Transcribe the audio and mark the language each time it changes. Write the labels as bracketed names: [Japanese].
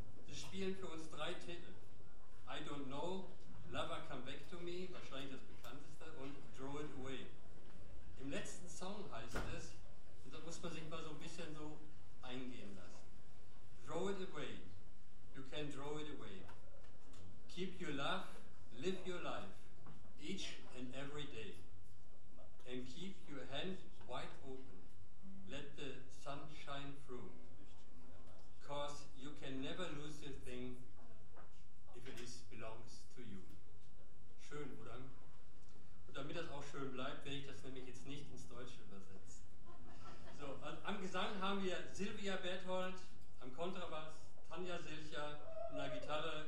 [German] Sie spielen für uns drei Titel: I Don't Know, Lover Come Back to Me, wahrscheinlich das bekannteste, und Draw It Away. Im letzten Song heißt es, und da muss man sich mal so ein bisschen so eingehen lassen: [English] Draw it away, you can draw it away. Keep your love, live your life, each and every day. And keep your hand wide open, let the sun shine through. Cause you can never lose a thing if it is belongs to you. [German] Schön, oder? Und damit das auch schön bleibt, werde ich das nämlich jetzt nicht ins Deutsche übersetzen. So, am Gesang haben wir Silvia Berthold, am Kontrabass Tanja Silcher und an der Gitarre.